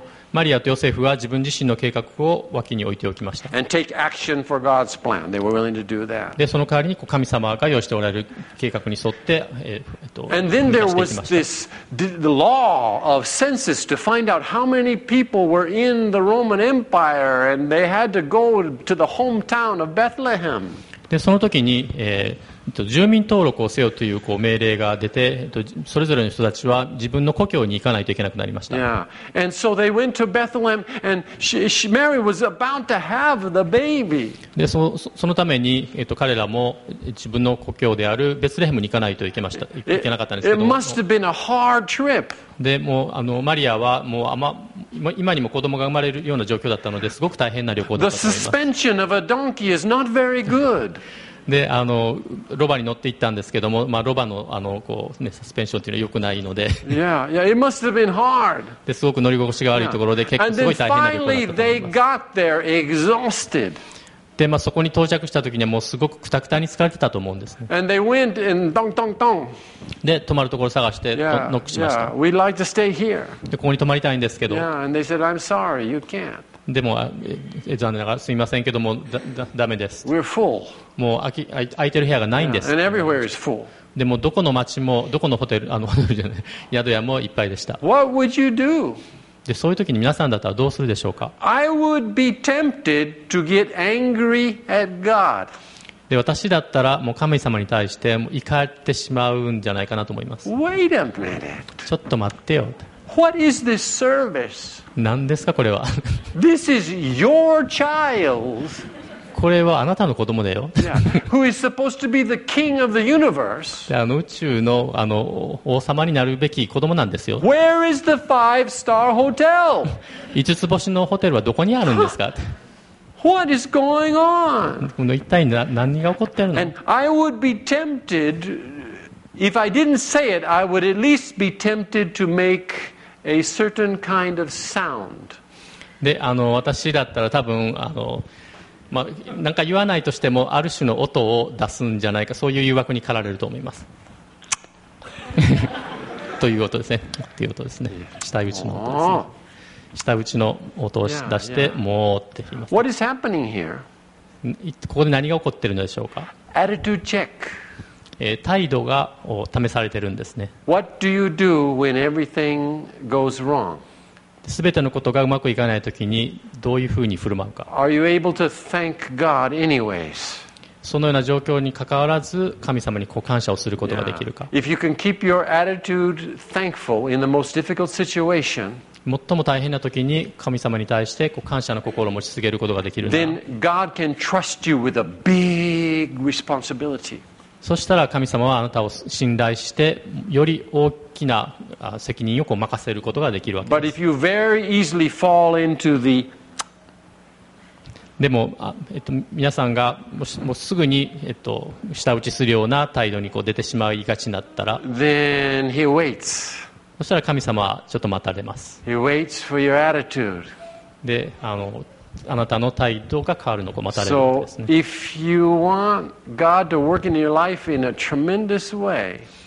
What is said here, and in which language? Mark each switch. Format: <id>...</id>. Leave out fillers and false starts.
<ja>マリアとヨセフは自分自身の計画を脇に置いておきました。</ja> <en>And take action for God's plan. They were willing to do that.</en> <ja>でその代わりに神様が用意しておられる計画に沿って、</ja> <en>And then there was this the law of census to find out how many people were in the Roman Empire, and they had to go to the hometown of Bethlehem.</en> <ja>でその時に。住民登録をせよとい う, こう命令が出て、それぞれの人たちは自分の故郷に行かないといけなくなりました。 Yeah.</ja> <en>And so they went to Bethlehem, and Mary was about to have the baby.</en> <ja>で、そのために、彼らも自分の故郷であるベツレヘムに行かないといけました。行けなかったんですけど。</ja> <en>It must have been a hard trip.</en> <ja>で、もうマリアはもうあま今にも子供が生まれるような状況だったので、すごく大変な旅行だったと思います。</ja> <en>The suspension of a donkey is not very good.</en> <ja>でロバに乗って行ったんですけども、まあ、ロバ の, こう、ね、サスペンションというのは良くないので、</ja> <en>yeah, it must have been hard.</en> <ja>ですごく乗り心地が悪いところで、yeah. 結構すごい大変な旅行だったと思います。</ja> <en>And then finally they got there exhausted.</en> <ja>で、まあ、そこに到着した時にはもうすごくクタクタに疲れてたと思うんですね。</ja> <en>And they went and dong dong dong.</en> <ja>で泊まるところを探してノックしました。</ja> <en>Yeah, we'd like to stay here.</en> <ja>でここに泊まりたいんですけど。</ja> <en>Yeah, and they said, I'm sorry, you can't.</en> <ja>でも残念ながらすみませんけどもダメです。</ja> <en>We're full.</en> <ja>もう空いてる部屋がないんです。</ja> <en>Yeah. And everywhere is full.</en> <ja>でもどこの町もどこのホテル宿屋もいっぱいでした。</ja> <en>What would you do?</en> <ja>でそういう時に皆さんだったらどうするでしょうか。</ja> <en>I would be tempted to get angry at God.</en> <ja>で私だったらもう神様に対して怒ってしまうんじゃないかなと思います。</ja> <en>Wait a minute.</en> <ja>ちょっと待ってよ。</ja> <en>What is this service?</en> <ja>何ですかこれは。</ja> <en>This is your child.</en> <ja>これはあなたの子供だよ。 Yeah.</ja> <en>Who is supposed to be the king of the universe?</en> <ja>で、宇宙の王様になるべき子供なんですよ。</ja> <en>Where is the five-star hotel?</en> <ja>五つ星のホテルはどこにあるんですか。</ja> <en>What is going on?</en> <ja>一体何が起こってるの。</ja> <en>And I would be tempted. If I didn't say it, I would at least be tempted to make a certain kind of sound.</en> <ja>で、私だったら多分まあ、なんか言わないとしてもある種の音を出すんじゃないか、そういう誘惑に駆られると思いますという音ですね、という音ですね、下打ちの音ですね、下打ちの音を出して、yeah, yeah. もーって言います、</ja> <en>ね、What is happening here?</en> <ja>ここで何が起こってるのでしょうか。</ja> <en>Attitude check.</en> <ja>態度が試されてるんですね。</ja> <en>What do you do when everything goes wrong?</en> <ja>すべてのことがうまくいかないときにどういうふうに振る舞うか。</ja> <en>Are you able to thank God anyways?</en> <ja>そのような状況にかかわらず神様に感謝をすることができるか。</ja> <en>If you can keep your attitude thankful in the most difficult situation,</en> <ja>最も大変なときに神様に対して感謝の心を持ち続けることができるなら、</ja> <en>then God can trust you with a big responsibility.</en> <ja>そしたら神様はあなたを信頼してより大きな責任を任せることができるわけです。</ja> <en>But if you very easily fall into the...</en> <ja>でも、皆さんがもうすぐに、舌打ちするような態度に出てしまいがちになったら、</ja> <en>Then he waits.</en> <ja>そしたら神様はちょっと待たれます。</ja> <en>He waits for your attitude.</en> <ja>で、あなたの態度が変わるのを待たれるんですね。</ja> <en>So, if you want God to work in your life in a tremendous way,</en>